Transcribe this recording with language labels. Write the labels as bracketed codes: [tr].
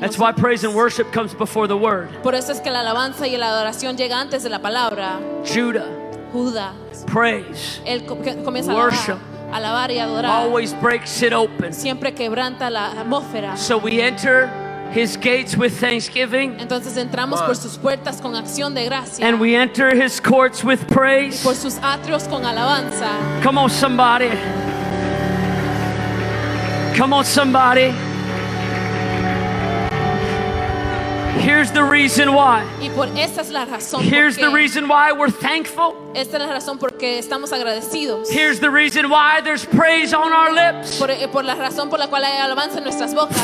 [en] That's why praise and worship comes before the word. [es] Por eso es que la alabanza y la adoración llega antes de la palabra. [en] Judah. [es] Judá. [en] Praise. [es] Él comienza a [en] worship. [es] Alabar y adorar. [en] Always breaks it open. [es] Siempre quebranta la atmósfera. [en] So we enter his gates with thanksgiving. [es] Entonces entramos por sus puertas con acción de gracia. [en] And we enter his courts with praise. [es] Y por sus atrios con alabanza. [en] Come on, somebody. Come on, somebody. Here's the reason why. [es] Y por esa es la razón. [en] Here's the reason why we're thankful. [es] Esta es la razón porque estamos agradecidos. [en] Here's the reason why there's praise on our lips. [es] Por la razón por la cual hay alabanza en nuestras bocas.